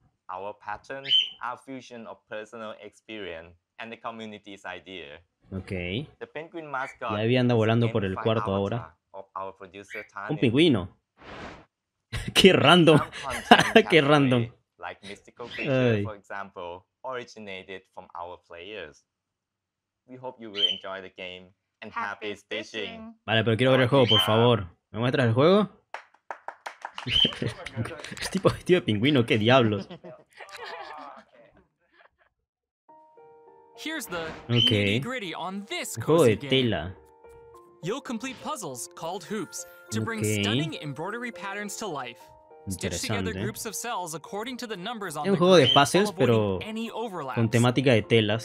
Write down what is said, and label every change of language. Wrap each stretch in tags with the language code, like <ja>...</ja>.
<en>Our patterns are a fusion of personal experience and the community's idea. Okay. The penguin mascot.</en> <es>Ya había andado volando por el cuarto ahora. Un pingüino. Qué random. Qué random.</es> <en>Like mystical creatures, for example, originated from our players. We hope you will enjoy the game and happy fishing.</en> <es>Vale, pero quiero ver el juego, por favor. ¿Me muestras el juego? Es tipo vestido de pingüino, qué diablos.</es> <en>Here's the nitty-gritty on this cozy game. You'll complete puzzles called hoops to bring stunning embroidery patterns to life. Stitch together groups of cells according to the numbers on the grid.</en> <es>Es un juego de puzzles, pero con temática de telas.</es>